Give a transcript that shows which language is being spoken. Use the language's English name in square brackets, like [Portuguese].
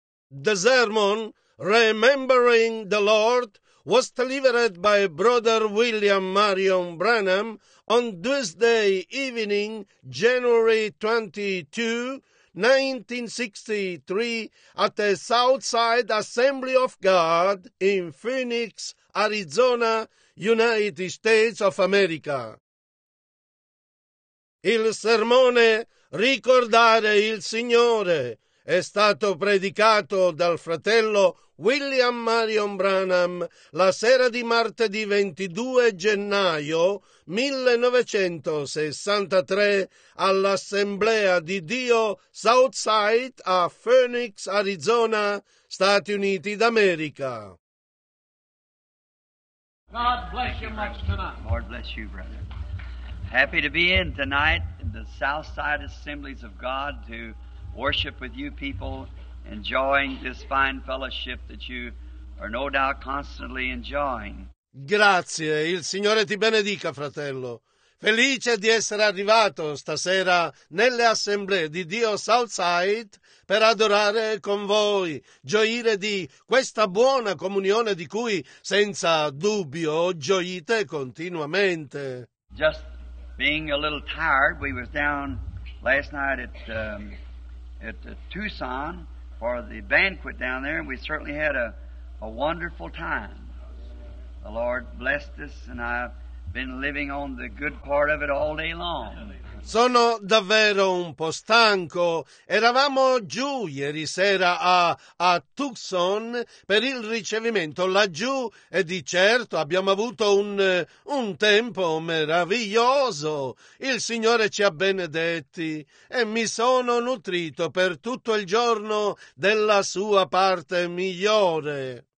[English] The sermon, Remembering the Lord, was delivered by Brother William Marion Branham on Tuesday evening, January 22, 1963, at the Southside Assembly of God in Phoenix, Arizona, United States of America. [Italian] Il sermone Ricordare il Signore è stato predicato dal fratello William Marion Branham la sera di martedì 22 gennaio 1963 all'Assemblea di Dio Southside a Phoenix, Arizona, Stati Uniti d'America. [English] God bless you much tonight. Lord bless you, brother. Happy to be in tonight in the Southside Assemblies of God to worship with you people, enjoying this fine fellowship that you are no doubt constantly enjoying. [Italian] Grazie, il Signore ti benedica, fratello. Felice di essere arrivato stasera nelle assemblee di Dio Southside per adorare con voi, gioire di questa buona comunione di cui senza dubbio gioite continuamente. [English] Just being a little tired, we were down last night at Tucson for the banquet down there, and we certainly had a wonderful time. The Lord blessed us, and I've been living on the good part of it all day long. [Italian] Sono davvero un po' stanco. Eravamo giù ieri sera a Tucson per il ricevimento laggiù e di certo abbiamo avuto un tempo meraviglioso. Il Signore ci ha benedetti e mi sono nutrito per tutto il giorno della sua parte migliore.